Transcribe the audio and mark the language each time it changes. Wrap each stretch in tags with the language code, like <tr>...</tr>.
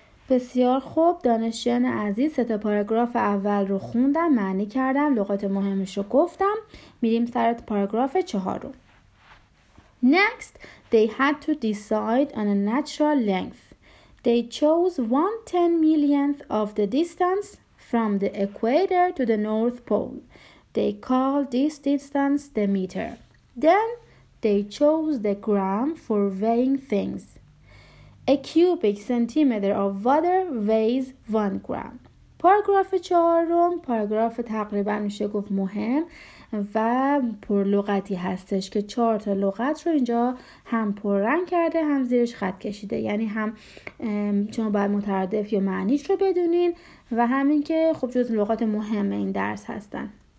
<fa>بسیار خوب دانشجویان عزیز، سه تا پاراگراف اول رو خوندم، معنی کردم، لغات مهمش رو گفتم. میریم سر پاراگراف چهارم.</fa> <en>Next, they had to decide on a natural length. They chose 1/10 millionth of the distance from the equator to the North Pole. They called this distance the meter. Then they chose the gram for weighing things. A cubic centimeter of water weighs 1 gram.</en> <fa>پاراگراف چهارم پاراگراف تقریبا میشه گفت مهم و پر لغتی هستش که 4 تا لغت رو اینجا هم پر رنگ کرده هم زیرش خط کشیده، یعنی هم شما باید مترادف یا معنیش رو بدونین و همین که خب جز لغات مهم این درس هستن.</fa>